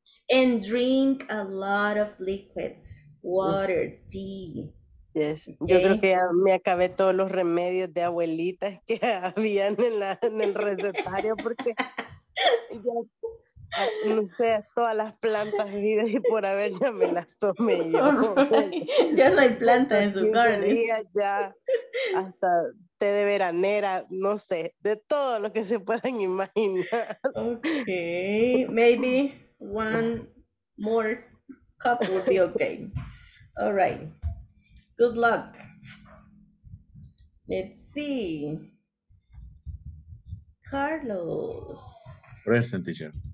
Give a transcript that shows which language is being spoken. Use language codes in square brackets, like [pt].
[en] And drink a lot of liquids, water, tea. Yes. Okay. [es] Yo creo que ya me acabé todos los remedios de abuelitas que habían en el recetario porque ya no sé, todas las plantas vidas y por haber ya me las tomé yo. Ya no hay planta en su garden. Ya hasta té de veranera, no sé, de todo lo que se puedan imaginar. [en] Okay, maybe one more cup would be okay. All right. Good luck. Let's see. Carlos. Present, teacher.